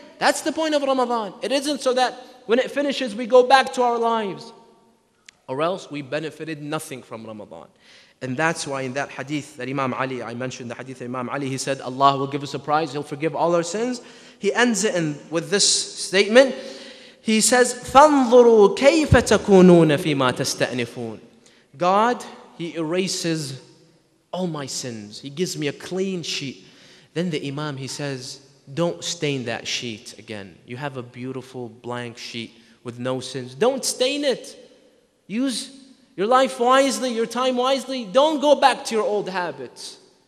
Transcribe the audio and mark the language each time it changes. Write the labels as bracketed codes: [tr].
[en] That's the point of Ramadan. It isn't so that when it finishes, we go back to our lives. Or else we benefited nothing from Ramadan. And that's why in that hadith that Imam Ali, I mentioned the hadith of Imam Ali, he said, Allah will give us a prize, He'll forgive all our sins. He ends it with this statement. He says, [ar] فَانْظُرُوا كَيْفَ تَكُونُونَ فِي مَا تَسْتَأْنِفُونَ. [en] God, He erases all my sins. He gives me a clean sheet. Then the Imam, he says, don't stain that sheet again. You have a beautiful blank sheet with no sins. Don't stain it. Use your life wisely, your time wisely. Don't go back to your old habits.